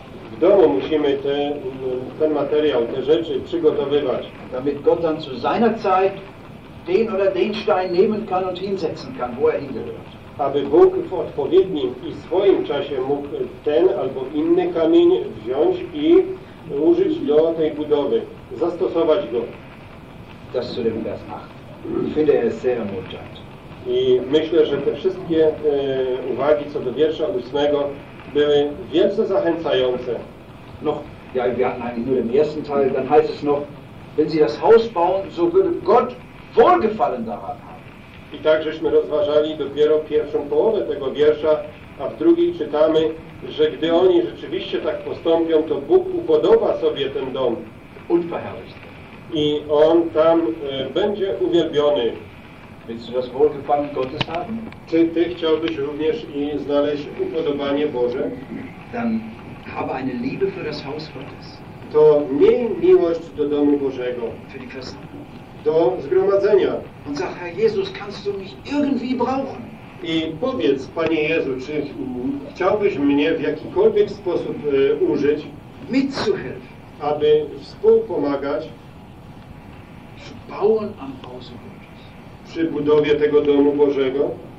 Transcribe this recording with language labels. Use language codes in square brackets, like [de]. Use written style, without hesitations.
[pl] W domu musimy ten materiał, te rzeczy przygotowywać. [de] Damit Gott dann zu seiner Zeit den oder den Stein nehmen kann und hinsetzen kann, wo er hingehört. [pl] Aby Bóg w odpowiednim i swoim czasie mógł ten albo inny kamień wziąć i użyć do tej budowy, zastosować go. [de] Das zu dem Vers 8. Ich finde er sehr ermutigend. [pl] I myślę, że te wszystkie uwagi co do wiersza 8 były wielce zachęcające. [de] Noch, ja, wir hatten eigentlich nur den ersten Teil, dann heißt es noch, wenn Sie das Haus bauen, so würde Gott wohlgefallen daran haben. [pl] I tak żeśmy rozważali dopiero pierwszą połowę tego wiersza, a w drugiej czytamy, że gdy oni rzeczywiście tak postąpią, to Bóg upodoba sobie ten dom. [de] Und verherrlicht. [pl] I on tam będzie uwielbiony. [de] Willst du das Wohlgefallen Gottes haben? [pl] Czy ty chciałbyś również i znaleźć upodobanie Boże? [de] Dann habe eine Liebe für das Haus Gottes. [pl] To miej miłość do domu Bożego. [de] Für die Christen. [pl] Do zgromadzenia. [de] Und sag, Herr Jesus, kannst du mich irgendwie brauchen? [pl] I powiedz, Panie Jezu, czy chciałbyś mnie w jakikolwiek sposób użyć, [de] mitzuhelfen, [pl] aby współpomagać [de] zu bauen am Hause Gottes. [pl] Przy budowie tego domu Bożego?